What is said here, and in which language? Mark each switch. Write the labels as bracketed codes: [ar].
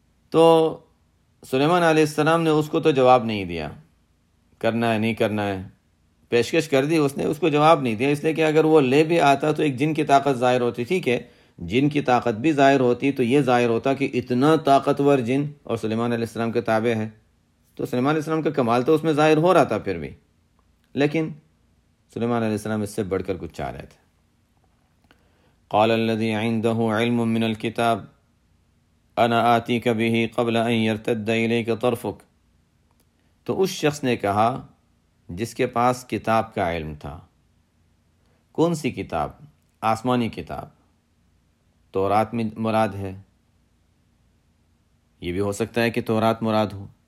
[ur] تو سلیمان علیہ السلام نے اس کو تو جواب نہیں دیا، کرنا ہے نہیں کرنا ہے، پیشکش کر دی اس نے، اس کو جواب نہیں دیا، اس لیے کہ اگر وہ لے بھی آتا تو ایک جن کی طاقت ظاہر ہوتی. ٹھیک ہے، جن کی طاقت بھی ظاہر ہوتی تو یہ ظاہر ہوتا کہ اتنا طاقتور جن اور سلیمان علیہ السلام کے تابع ہے، تو سلیمان علیہ السلام کا کمال تو اس میں ظاہر ہو رہا تھا پھر بھی، لیکن سلیمان علیہ السلام اس سے بڑھ کر کچھ چاہ رہے تھے. [ar] قال الذي عنده علم من الكتاب انا آتيك به قبل ان يرتد اليك طرفك. [ur] تو اس شخص نے کہا جس کے پاس کتاب کا علم تھا. کون سی کتاب؟ آسمانی کتاب، تورات میں مراد ہے، یہ بھی ہو سکتا ہے کہ تورات مراد ہو.